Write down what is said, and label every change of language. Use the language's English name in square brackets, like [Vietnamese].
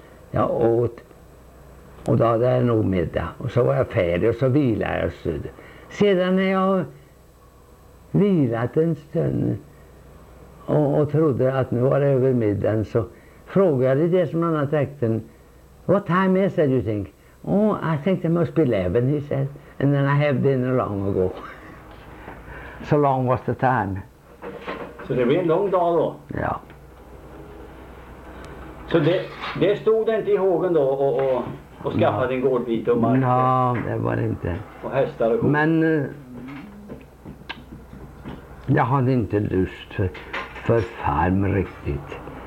[Swedish] Jag åt, och då hade jag nog middag, och så var jag färdig och så vilade jag stund. Sedan när jag vilat en stund och trodde att nu var det över middagen, så frågade jag det som han hade sagt, [English] what time is it, you think? Oh, I think it must be 11, he said, and then I have dinner long ago. So long was the time. [Swedish] Så det blev en lång dag då? Ja. Så det stod det inte i hågen då och skaffade en gårdbit och mark? Ja, det var inte. Och hästar och kor. Men jag hade inte lust för farm riktigt.